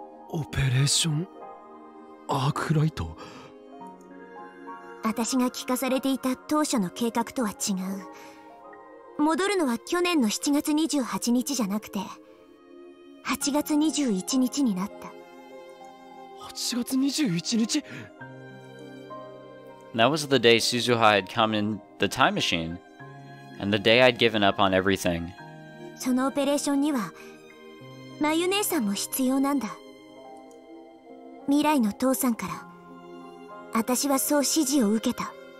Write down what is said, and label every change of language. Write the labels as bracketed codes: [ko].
[ja] オペレーションアークライト？私が聞かされていた当初の計画とは違う。戻るのは去年の7月28日じゃなくて、8月21日になった。 8月21日? [en] That was the day Suzuha had come in the time machine, and the day I'd given up on everything. [ja] そのオペレーションには、マユ姉さんも必要なんだ。未来の父さんから。私はそう指示を受けた。